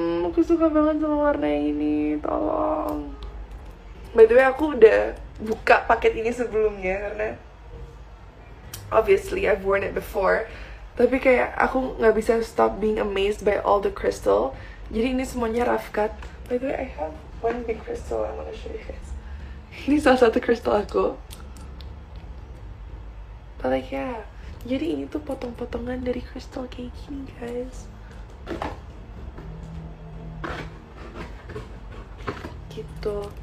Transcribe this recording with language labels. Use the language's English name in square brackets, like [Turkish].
[Indonesian] Aku suka banget sama warna ini, tolong. [English] By the way, [Indonesian] aku udah buka paket ini sebelumnya karena [English] obviously I've worn it before. [Indonesian] Tapi kayak aku nggak bisa [English] stop being amazed by all the crystal. [Indonesian] Jadi ini semuanya rough cut. [English] By the way, I have one big crystal I wanna show you guys. [Indonesian] Ini salah satu crystal aku. [English] But like yeah, [Indonesian] jadi ini tuh potong-potongan dari crystal kayak gini guys. Gitu.